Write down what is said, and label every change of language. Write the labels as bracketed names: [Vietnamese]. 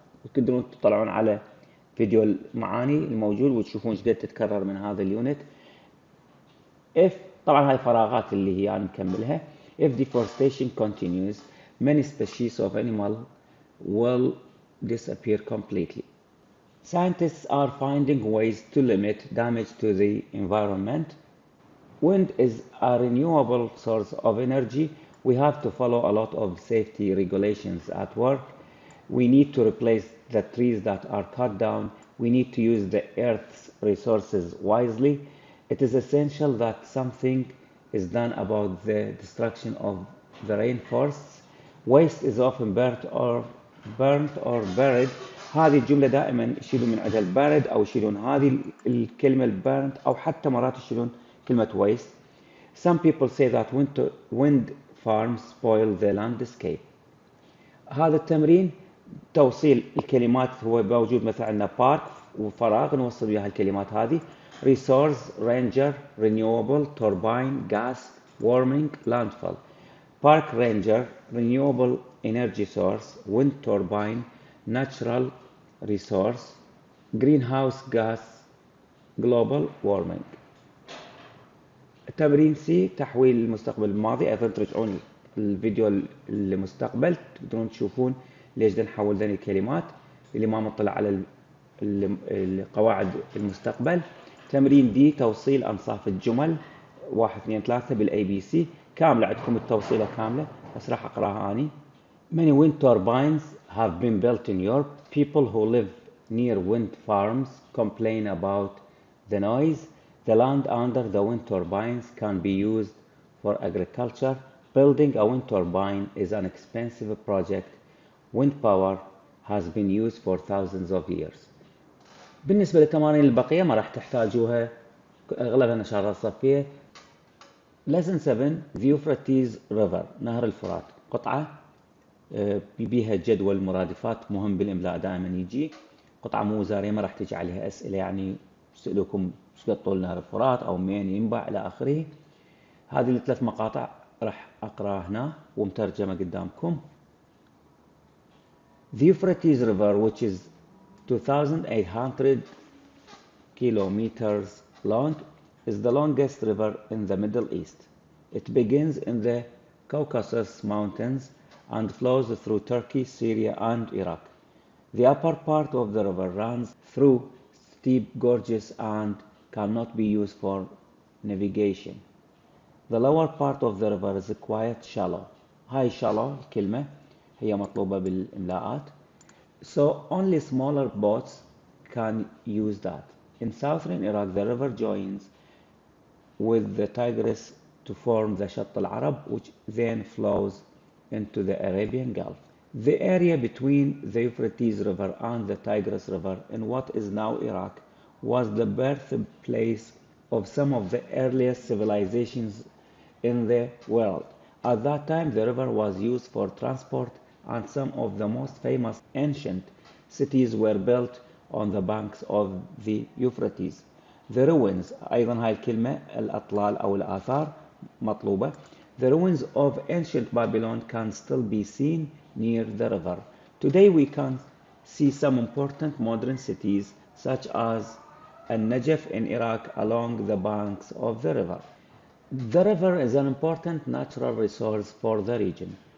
[Arabic] وتقدرون تطلعون على فيديو المعاني الموجود وتشوفون جدا تتكرر من هذا اليونت. if طبعا هاي الفراغات اللي هي يعني مكملها. [English] if deforestation continues many species of animal will disappear completely. scientists are finding ways to limit damage to the environment. Wind is a renewable source of energy. We have to follow a lot of safety regulations at work. We need to replace the trees that are cut down. We need to use the earth's resources wisely. It is essential that something is done about the destruction of the rainforests. Waste is often burnt or burnt or buried. [Arabic] هذه الجملة دائما يشيلون من عندها البارد أو يشيلون هذه الكلمة البارد أو حتى مرات يشيلون كلمة waste. [English] Some people say that wind farms spoil the landscape. [Arabic] هذا التمرين توصيل الكلمات هو بوجود مثلا عندنا park وفراغ نوصل بها الكلمات هذه. [English] Resource, ranger, renewable, turbine, gas, warming, landfill. Park ranger, renewable energy source, wind turbine, natural resource, greenhouse gas, global warming. [Arabic] تمرين C تحويل المستقبل الماضي. أيضا ترجعون الفيديو للمستقبل تقدرون تشوفون ليش نحول ذني الكلمات اللي ما مطلع على القواعد المستقبل. تمرين D توصيل أنصاف الجمل 1 2 3 بالاي بي سي كاملة عندكم التوصيلة كاملة بس راح أقرأها أنا. [English] Many wind turbines have been built in Europe. People who live near wind farms complain about the noise. The land under the wind turbines can be used for agriculture. Building a wind turbine is an expensive project. Wind power has been used for thousands of years. [Arabic] بالنسبة للتمارين البقية ما راح تحتاجوها أغلبها نشارة صفية. [English] Lesson 7 View Euphrates River [Arabic] نهر الفرات قطعة بيها جدول مرادفات مهم بالإملاء دائما يجي قطعة مو وزارية ما راح تجي عليها أسئلة يعني سألوكم شو طول نهر الفرات أو مين ينبع إلى آخره. هذه الثلاث مقاطع راح أقرأ هنا ومترجمة قدامكم. [English] The Euphrates River which is 2,800 kilometers long is the longest river in the Middle East. It begins in the Caucasus Mountains and flows through Turkey, Syria and Iraq. The upper part of the river runs through steep gorges and cannot be used for navigation. The lower part of the river is quite shallow. [Arabic] هاي shallow الكلمة هي مطلوبة بالإملاءات. [English] So only smaller boats can use that. In southern Iraq, the river joins with the Tigris to form the Shatt al-Arab, which then flows into the Arabian Gulf. The area between the Euphrates River and the Tigris River in what is now Iraq was the birthplace of some of the earliest civilizations in the world. At that time, the river was used for transport and some of the most famous ancient cities were built on the banks of the Euphrates. The ruins, [Arabic] أيضا هاي الكلمة الأطلال أو الآثار مطلوبة. [English] The ruins of ancient Babylon can still be seen near the river. Today we can see some important modern cities such as Al-Najaf in Iraq along the banks of the river. The river is an important natural resource for the region.